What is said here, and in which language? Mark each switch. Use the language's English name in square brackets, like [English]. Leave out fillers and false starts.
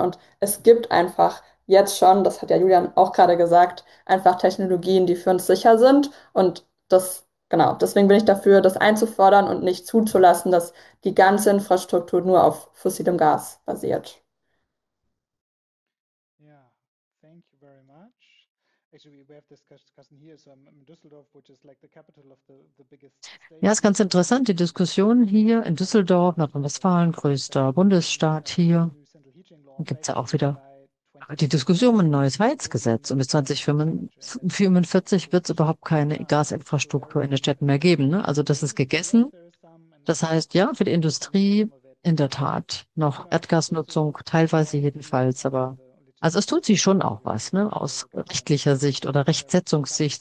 [German] Und es gibt einfach jetzt schon, das hat ja Julian auch gerade gesagt, einfach Technologien, die für uns sicher sind. Und das, genau, deswegen bin ich dafür, das einzufordern und nicht zuzulassen, dass die ganze Infrastruktur nur auf fossilem Gas basiert. Ja, [English] thank you very much. Actually, we have this discussion here, so I'm in Düsseldorf, which is like the capital of the biggest [German] Ja, [English] state [German] es ist ganz interessant, die Diskussion hier in Düsseldorf, Nordrhein-Westfalen, größter Bundesstaat hier. Da gibt es ja auch wieder die Diskussion um ein neues Heizgesetz. Und bis 2045 wird es überhaupt keine Gasinfrastruktur in den Städten mehr geben. Ne? Also das ist gegessen. Das heißt, ja, für die Industrie in der Tat noch Erdgasnutzung, teilweise jedenfalls, aber also es tut sich schon auch was, ne, aus rechtlicher Sicht oder Rechtsetzungssicht.